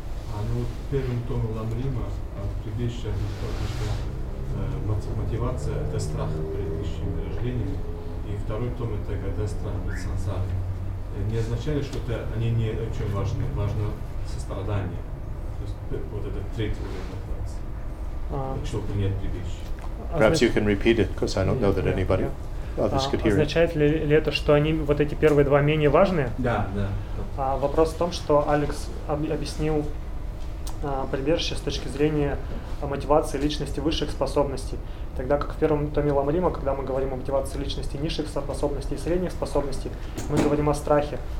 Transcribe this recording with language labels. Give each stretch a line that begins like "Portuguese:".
Russian: А ну вот первым томом Ламрима предыдущее объяснил, что мотивация – это страх перед вещами и рождением. И второй том – это когда страх перед сансарой. Не означает ли, что это, они не очень важны? Важно сострадание. То есть вот этот третий уровень.
English: Perhaps you can repeat it, because I don't know that anybody others could hear it.
Russian: Означает ли это, что они вот эти первые два менее важные? Да, да. Вопрос в том, что Алекс объяснил прибежище с точки зрения мотивации личности высших способностей. Тогда как в первом томе Ламрима, когда мы говорим о мотивации личности низших способностей и средних способностей, мы говорим о страхе.